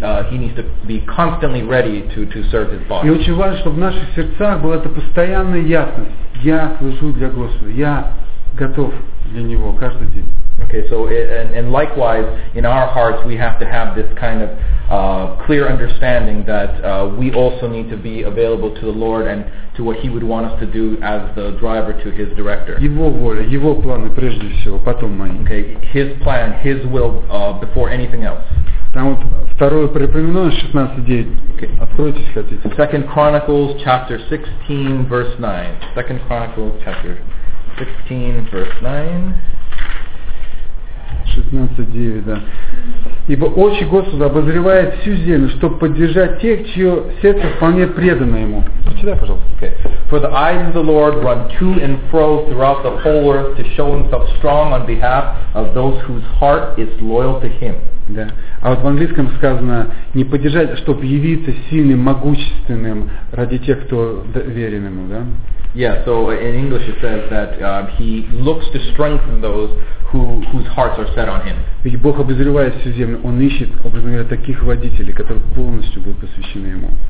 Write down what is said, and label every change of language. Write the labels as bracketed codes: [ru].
[en] He needs to be constantly ready to serve his boss. [ru] И очень важно, чтобы в наших сердцах была эта постоянная ясность. Я служу для Господа. Я готов для Него каждый день. [en] Okay, so and likewise, in our hearts, we have to have this kind of clear understanding that we also need to be available to the Lord and to what He would want us to do as the driver to His director. [ru] Его воля, Его планы прежде всего, потом мои. [en] Okay, His plan, His will before anything else. [ru] Там вот второе Припоминание 16:9. Okay. Откройте, если хотите. [en] Second Chronicles chapter 16, verse 9. Second Chronicles chapter 16, verse 9. [ru] 16:9, да. Ибо очи Господа обозревает всю землю, чтобы поддержать тех, чье сердце вполне предано Ему. Прочитай, пожалуйста. [en] Okay. For the eyes of the Lord run to and fro throughout the whole earth to show Himself strong on behalf of those whose heart is loyal to Him. [ru] Да. А вот в английском сказано не поддержать, чтобы явиться сильным, могущественным ради тех, кто верен Ему, да? [en] Yeah, so in English it says that He looks to strengthen those whose hearts are set on Him. [ru] Ведь Бог обозревает всю землю, Он ищет, образно говоря, таких водителей, которые полностью будут посвящены Ему.